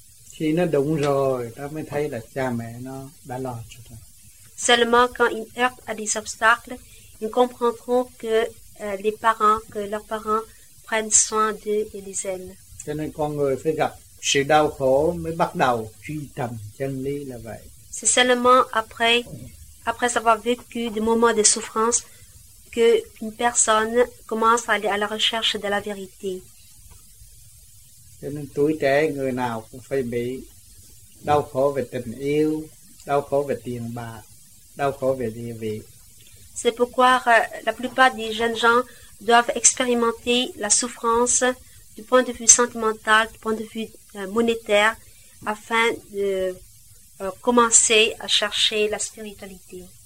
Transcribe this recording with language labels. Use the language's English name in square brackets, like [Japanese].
[Vietnamese] Khi nó đụng rồi, nó mới thấy là cha mẹ nó đã lo cho nó. [French] Seulement quand ils heurtent à des obstacles, ils comprendront que les parents, que leurs parents prennent soin d'eux et les aiment. [Vietnamese] Cho nên con người phải gặp sự đau khổ mới bắt đầu truy tầm chân lý là vậy. [French] C'est seulement après avoir vécu des moments de souffrance que une personne commence à aller à la recherche de la vérité. [Vietnamese] Cho nên tuổi trẻ người nào cũng phải bị đau khổ về tình yêu, đau khổ về tiền bạc, đau khổ về địa vị. [French] C'est pourquoi la plupart des jeunes gens doivent expérimenter la souffrance du point de vue sentimental, du point de vue monétaire, afin de commencer à chercher la spiritualité.